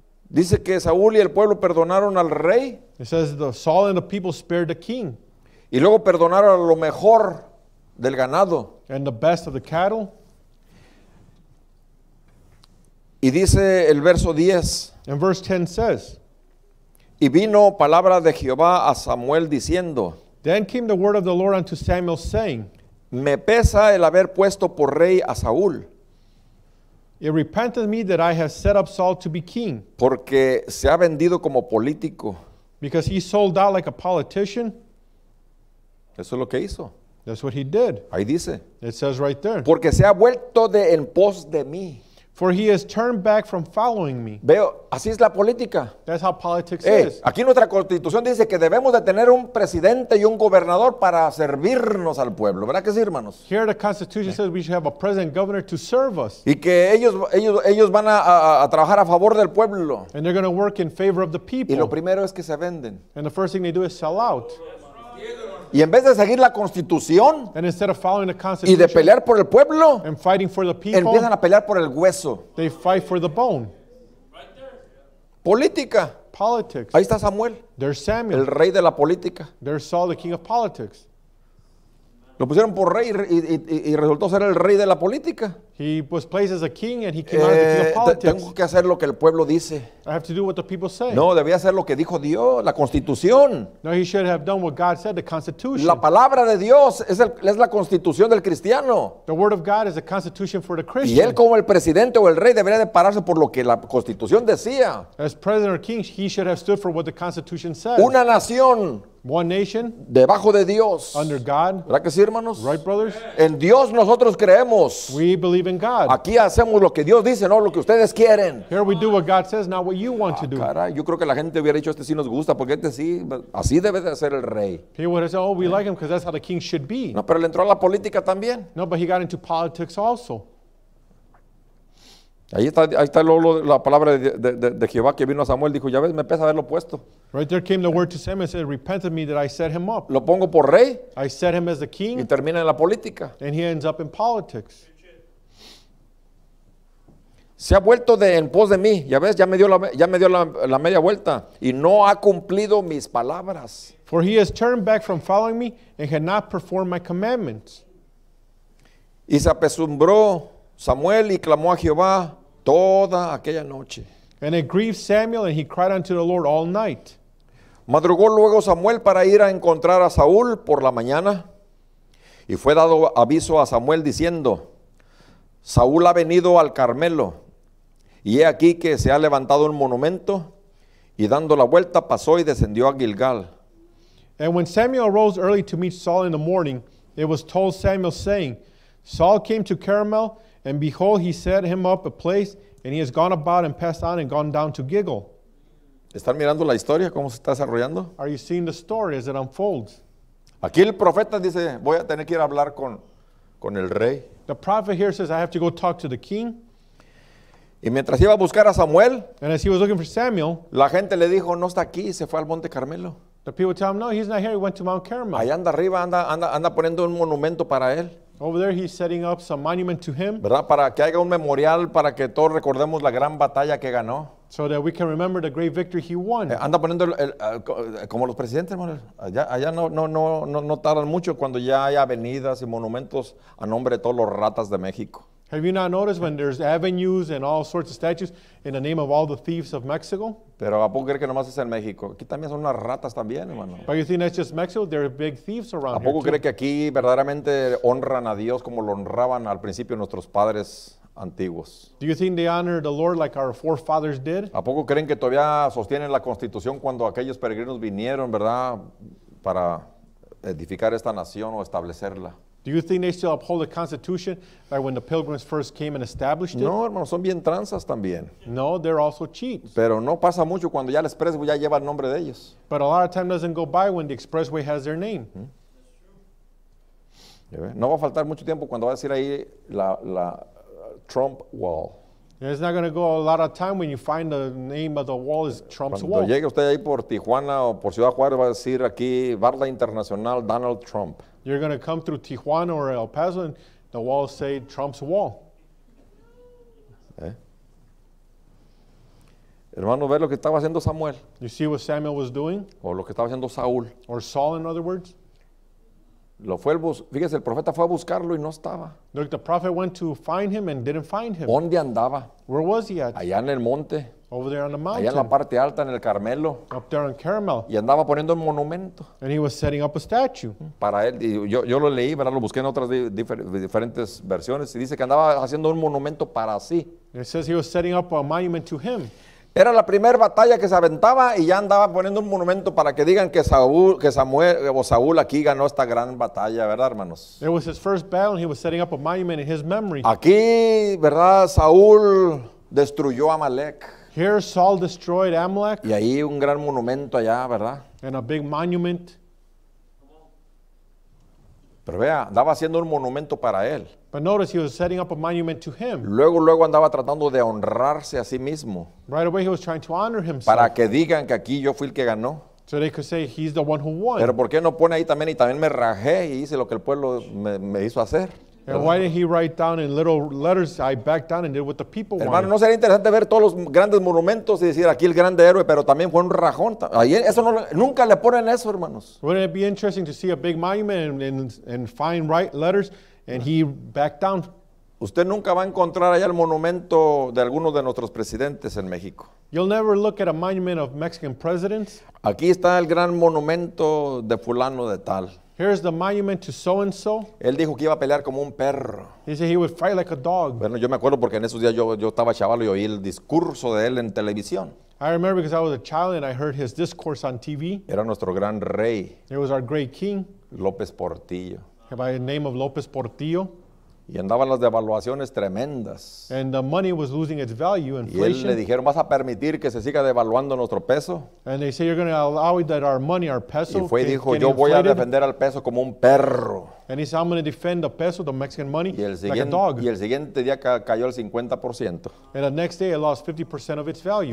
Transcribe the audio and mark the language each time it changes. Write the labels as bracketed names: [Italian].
[Spanish] Dice que Saúl y el pueblo perdonaron al rey. [English] It says the Saul and the people spared the king. [Spanish] Y luego perdonaron a lo mejor del ganado. [English] And the best of the cattle. [Spanish] Y dice el verso 10. [English] And verse 10 says. [Spanish] Y vino palabra de Jehová a Samuel diciendo. [English] Then came the word of the Lord unto Samuel, saying, [Spanish] me pesa el haber puesto por rey a Saúl. [English] It repenteth me that I have set up Saul to be king. [Spanish] Porque se ha vendido como político. [English] Because he sold out like a politician. [Spanish] Eso es lo que hizo. [English] That's what he did. [Spanish] Ahí dice. [English] It says right there. [Spanish] Porque se ha vuelto de en pos de mí. [English] For he has turned back from following me. [Spanish] Veo, así es la política. [English] That's how politics is. [Spanish] Aquí nuestra constitución dice que debemos de tener un presidente y un gobernador para servirnos al pueblo. ¿Verdad que sí, hermanos? [English] Here the constitution says we should have a president and governor to serve us. [Spanish] Y que ellos van a trabajar a favor del pueblo. [English] And they're going to work in favor of the people. [Spanish] Y lo primero es que se venden. [English] And the first thing they do is sell out. [Spanish] Y en vez de seguir la constitución y de pelear por el pueblo, [English] people, [Spanish] empiezan a pelear por el hueso. [English] They fight for the bone. [Spanish] Política. [English] Politics. [Spanish] Ahí está Samuel. [English] There's Samuel. [Spanish] El rey de la política. [English] There's Saul, the king of politics. [Spanish] Lo pusieron por rey y resultó ser el rey de la política. [English] He was placed as a king and he came out as the king of politics. [Spanish] Tengo que hacer lo que el pueblo dice. [English] I have to do what the people say. [Spanish] No, debía hacer lo que dijo Dios, la constitución. [English] No, he should have done what God said, the constitution. [Spanish] La palabra de Dios es la constitución del cristiano. [English] The word of God is the constitution for the Christian. [Spanish] Y él como el presidente o el rey debería de pararse por lo que la constitución decía. [English] As president or king, he should have stood for what the constitution said. [Spanish] Una nación. [English] One nation. [Spanish] Debajo de Dios. [English] Under God. [Spanish] ¿Verdad que sí, hermanos? [English] Right, brothers? [Spanish] En Dios nosotros creemos. [English] We believe in God. [Spanish] Aquí hacemos lo que Dios dice, no lo que ustedes quieren. [English] Here we do what God says, not what you want to do. [Spanish] Caray, yo creo que la gente hubiera dicho, este sí nos gusta, porque este sí, así debe de ser el rey. [English] People would have said, oh, we like him because that's how the king should be. [Spanish] No, pero le entró a la política también. [English] No, but he got into politics also. [Spanish] Ahí está luego la palabra de Jehová que vino a Samuel, dijo, ya ves, me pesa haberlo puesto. [English] Right there came the word to Samuel and said, repent of me that I set him up. [Spanish] Lo pongo por rey. [English] I set him as the king. [Spanish] Y termina en la política. [English] And he ends up in politics. [Spanish] Se ha vuelto de en pos de mí, ya ves, ya me dio la media vuelta y no ha cumplido mis palabras. [English] For he has turned back from following me and had not performed my commandments. [Spanish] Y se apesumbró Samuel y clamó a Jehová toda aquella noche. [English] And it grieved Samuel and he cried unto the Lord all night. [Spanish] Madrugó luego Samuel para ir a encontrar a Saúl por la mañana y fue dado aviso a Samuel diciendo, Saúl ha venido al Carmelo y he aquí que se ha levantado un monumento y dando la vuelta pasó y descendió a Gilgal. [English] And when Samuel arose early to meet Saul in the morning, it was told Samuel saying, Saul came to Carmel and behold, he set him up a place and he has gone about and passed on and gone down to Gilgal. [Spanish] ¿Están mirando la historia cómo se está desarrollando? [English] Are you seeing the story as it unfolds? [Spanish] Aquí el profeta dice, voy a tener que ir a hablar con el rey. [English] The prophet here says, I have to go talk to the king. [Spanish] Y mientras iba a buscar a Samuel, [English] and as he was looking for Samuel, [Spanish] la gente le dijo, no está aquí, se fue al Monte Carmelo. [English] The people tell him, no, he's not here, he went to Mount Carmel. [Spanish] Allá anda arriba, anda poniendo un monumento para él. [English] Over there he's setting up some monument to him. [Spanish] ¿Verdad? Para que haya un memorial, para que todos recordemos la gran batalla que ganó. [English] So that we can remember the great victory he won. [Spanish] Anda poniendo, como los presidentes, hermano, allá no tardan mucho cuando ya hay avenidas y monumentos a nombre de todos los ratas de México. [English] Have you not noticed when there's avenues and all sorts of statues in the name of all the thieves of Mexico? [Spanish] Pero ¿a poco cree que nomás es en México? Aquí también son unas ratas también, hermano. [English] But you think that's just Mexico? There are big thieves around here. [Spanish] ¿A poco [English] here [Spanish] cree [English] too? [Spanish] Que aquí verdaderamente honran a Dios como lo honraban al principio nuestros padres antiguos? [English] Do you think they honor the Lord like our forefathers did? [Spanish] ¿A poco creen que todavía sostienen la Constitución cuando aquellos peregrinos vinieron, verdad, para edificar esta nación o establecerla? [English] Do you think they still uphold the Constitution like when the pilgrims first came and established it? [Spanish] No, hermano, son bien tranzas también. [English] No, they're also cheats. [Spanish] Pero no pasa mucho cuando ya el expressway ya lleva el nombre de ellos. [English] But a lot of time doesn't go by when the expressway has their name. [Spanish] No va a faltar mucho tiempo cuando va a decir ahí la Trump Wall. [English] It's not going to go a lot of time when you find the name of the wall is Trump's [Spanish] cuando [English] wall. [Spanish] Cuando llegue usted ahí por Tijuana o por Ciudad Juárez va a decir aquí Barda Internacional Donald Trump. [English] You're going to come through Tijuana or El Paso and the wall say Trump's wall. [Spanish] Hermano, ve lo que estaba haciendo Samuel. [English] You see what Samuel was doing? [Spanish] O lo que estaba haciendo Saúl. [English] Or Saul, in other words. [Spanish] Lo fue fíjese, el profeta fue a buscarlo y no estaba. [English] Look, the prophet went to find him and didn't find him. [Spanish] ¿Dónde andaba? [English] Where was he at? [Spanish] Allá en el monte. [English] Over there on the mountain. [Spanish] Allá en la parte alta, en el Carmelo. [English] Up there on Carmel. [Spanish] Y andaba poniendo un monumento. [English] And he was setting up a statue. [Spanish] Para él, y yo lo leí, ¿verdad? Lo busqué en otras diferentes versiones. Y dice que andaba haciendo un monumento para sí. [English] It says he was setting up a monument to him. [Spanish] Era la primera batalla que se aventaba y ya andaba poniendo un monumento para que digan que Saúl, que Samuel o Saúl aquí ganó esta gran batalla, ¿verdad, hermanos? [English] It was his first battle and he was setting up a monument in his memory. [Spanish] Aquí, ¿verdad? Saúl destruyó a Amalek. [English] Here Saul destroyed Amalek. [Spanish] Y ahí un gran monumento allá, ¿verdad? [English] And a big monument. [Spanish] Pero vea, andaba haciendo un monumento para él. [English] But notice he was setting up a monument to him. [Spanish] Luego andaba tratando de honrarse a sí mismo. [English] Right away he was trying to honor himself. [Spanish] Para que digan que aquí yo fui el que ganó. [English] So they could say he's the one who won. [Spanish] Pero ¿por qué no pone ahí también y también me rajé y hice lo que el pueblo me hizo hacer? [English] And why didn't he write down in little letters, I backed down and did what the people wanted? [Spanish] Hermano, ¿no sería interesante ver todos los grandes monumentos y decir aquí el grande héroe, pero también fue un rajón? Eso no, nunca le ponen eso, hermanos. [English] Wouldn't it be interesting to see a big monument and find right letters and he backed down? [Spanish] Usted nunca va a encontrar allá el monumento de alguno de nuestros presidentes en México. [English] You'll never look at a monument of Mexican presidents. [Spanish] Aquí está el gran monumento de fulano de tal. [English] Here's the monument to so-and-so. [Spanish] Él dijo que iba a pelear como un perro. [English] He said he would fight like a dog. [Spanish] Bueno, yo me acuerdo porque en esos días yo estaba chaval y oí el discurso de él en televisión. [English] I remember because I was a child and I heard his discourse on TV. [Spanish] Era nuestro gran rey. [English] It was our great king. [Spanish] López Portillo. [English] By the name of López Portillo. [Spanish] Y andaban las devaluaciones tremendas. [English] And the money was losing its value, inflation. [Spanish] Y él le dijeron, ¿vas a permitir que se siga devaluando nuestro peso? [English] And they say, you're going to allow that our money, our peso, [Spanish] y fue y dijo, yo voy a defender al peso como un perro. [English] And he said, I'm going to defend the peso, the Mexican money, like a dog. [Spanish] Y el siguiente día cayó el 50%. [English] And the next day it lost 50% of its value.